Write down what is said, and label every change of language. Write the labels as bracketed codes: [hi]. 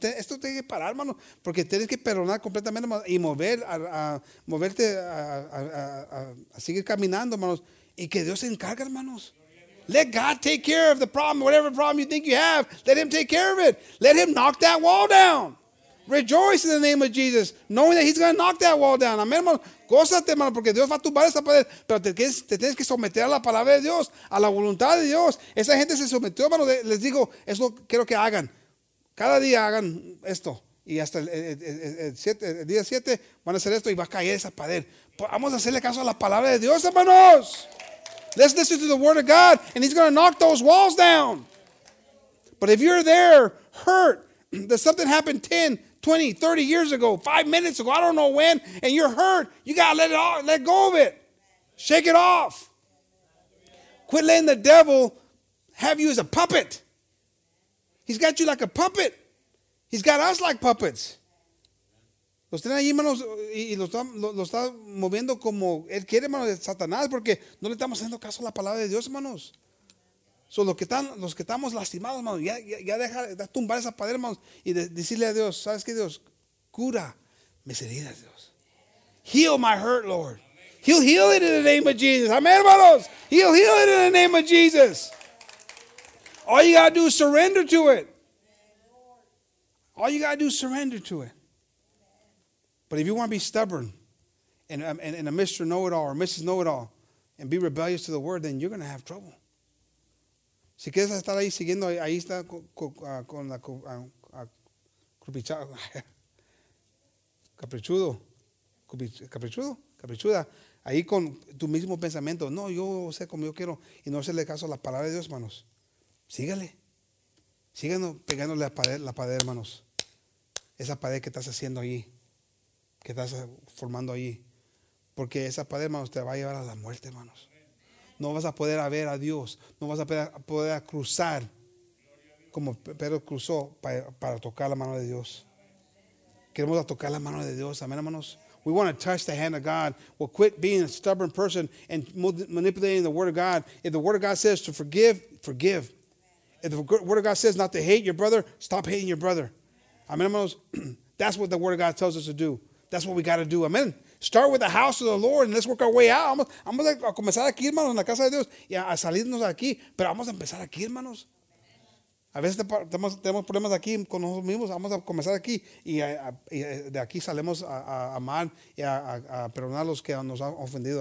[es] Esto tiene que parar, hermano. Porque tienes que perdonar completamente, hermano, y moverte a seguir caminando, hermanos. Y que Dios se encargue, hermanos. [en] Let God take care of the problem, whatever problem you think you have. Let him take care of it. Let him knock that wall down. Rejoice in the name of Jesus, knowing that he's going to knock that wall down. [es] Amén, hermano. Gózate, hermano, porque Dios va a tumbar esa pared. Pero te tienes que someter a la palabra de Dios, a la voluntad de Dios. Esa gente se sometió, hermano. Les digo, eso quiero que hagan. Cada día hagan esto y hasta el día 7 van a hacer esto y va a caer esa pared. Vamos a hacerle caso a la palabra de Dios, hermanos. [en] Let's listen to the word of God and he's going to knock those walls down. But if you're there hurt, that something happened 10, 20, 30 years ago, 5 minutes ago, I don't know when, and you're hurt, you got to let go of it. Shake it off. Quit letting the devil have you as a puppet. He's got you like a puppet. He's got us like puppets. [es] Los tiene ahí, hermanos, y lo está moviendo como él quiere, hermanos, de Satanás, porque no le estamos haciendo caso a la palabra de Dios, hermanos. So, los que estamos lastimados, hermanos, ya deja de tumbar esa pared, hermanos, y decirle a Dios, ¿sabes qué, Dios? Cura mis heridas, Dios. [en] Heal my hurt, Lord. He'll heal it in the name of Jesus. [es] Amén, hermanos. [en] He'll heal it in the name of Jesus. All you got to do is surrender to it. All you got to do is surrender to it. But if you want to be stubborn and a Mr. Know-it-all or Mrs. Know-it-all and be rebellious to the word, then you're going to have trouble. [es] Si quieres estar ahí siguiendo, ahí está con la caprichuda. Caprichuda. Ahí con tu mismo pensamiento. No, yo sé como yo quiero. Y no hacerle caso a la palabra de Dios, hermanos. Sígale. Síganlo pegándole a la pared, hermanos. Esa pared que estás haciendo ahí. Que estás formando ahí. Porque esa pared, hermanos, te va a llevar a la muerte, hermanos. No vas a poder ver a Dios. No vas a poder cruzar como Pedro cruzó para tocar la mano de Dios. Queremos tocar la mano de Dios. Amén, hermanos. [en] We want to touch the hand of God. We'll quit being a stubborn person and manipulating the word of God. If the word of God says to forgive, forgive. If the Word of God says not to hate your brother, stop hating your brother. Amen, hermanos. That's what the Word of God tells us to do. That's what we got to do. Amen. Start with the house of the Lord and let's work our way out. [es] Vamos a comenzar aquí, hermanos, en la casa de Dios y a salirnos de aquí. Pero vamos a empezar aquí, hermanos. A veces tenemos problemas aquí con nosotros mismos. Vamos a comenzar aquí y de aquí salimos a amar y a perdonar a los que nos han ofendido.